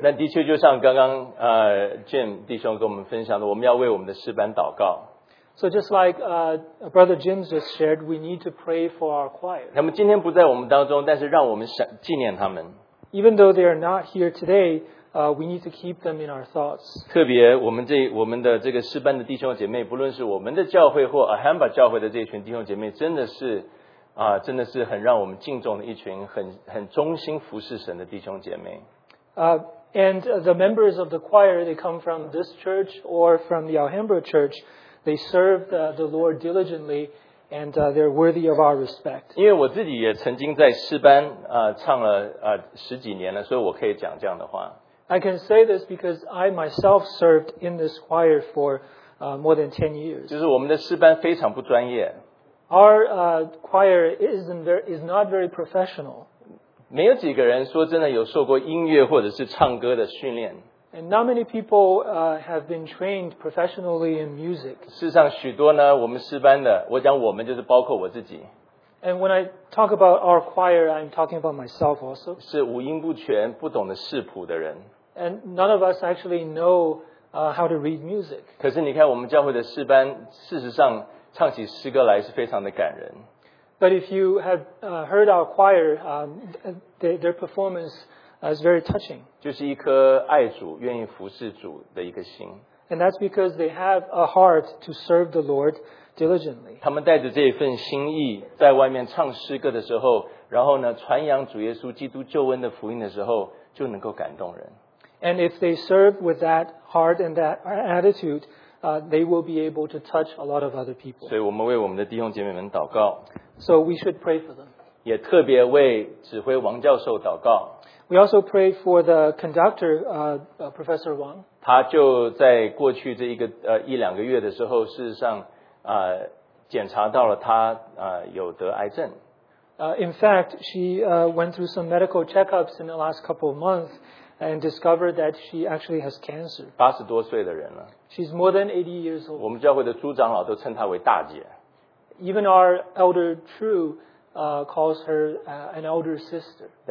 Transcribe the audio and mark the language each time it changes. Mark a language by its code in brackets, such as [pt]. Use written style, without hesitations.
[zh] 那的确就像刚刚Jim 弟兄跟我们分享的，我们要为我们的诗班祷告。 [en] So just like Brother Jim just shared, we need to pray for our choir. [zh] 他们今天不在我们当中，但是让我们纪念他们。 [en] Even though they are not here today, we need to keep them in our thoughts. [zh] 特别我们的这个诗班的弟兄姐妹，不论是我们的教会或 Ahamba 教会的这群弟兄姐妹，真的是很让我们敬重的一群很忠心服侍神的弟兄姐妹。 [en] And the members of the choir, they come from this church or from the Ahamba church. They served the Lord diligently, and they're worthy of our respect. [zh] 因为我自己也曾经在诗班唱了十几年了，所以我可以讲这样的话。 [en] I can say this because I myself served in this choir for more than 10 years. [zh] 就是我们的诗班非常不专业。 [en] Our choir is not very professional. [zh] 没有几个人说真的有受过音乐或者是唱歌的训练。 [en] And not many people have been trained professionally in music. [zh] 事实上许多呢我们诗班的我讲我们就是包括我自己。 [en] And when I talk about our choir, I'm talking about myself also. [zh] 是五音不全不懂得视谱的人。 [en] And none of us actually know how to read music. [zh] 可是你看我们教会的诗班事实上唱起诗歌来是非常的感人。 [en] But if you have heard our choir, their performance,It's very touching. [zh] 就是一颗爱主、愿意服侍主的一个心。 [en] And that's because they have a heart to serve the Lord diligently. [zh] 他们带着这份心意，在外面唱诗歌的时候，然后呢，传扬主耶稣基督救恩的福音的时候，就能够感动人。 [en] And if they serve with that heart and that attitude, they will be able to touch a lot of other people. [zh] 所以我们为我们的弟兄姐妹们祷告。 [en] So we should pray for them. [zh] 也特别为指挥王教授祷告。 [en] We also pray for the conductor, Professor Wang. [zh] 他就在过去这一个一两个月的时候，事实上检查到了他有得癌症。 [en] In fact, she went through some medical checkups in the last couple of months and discovered that she actually has cancer. [zh] 80多岁的人了。 [en] She's more than 80 years old. [zh] 我们教会的朱长老都称她为大姐。 [en] Even our elder Tru calls her an elder sister.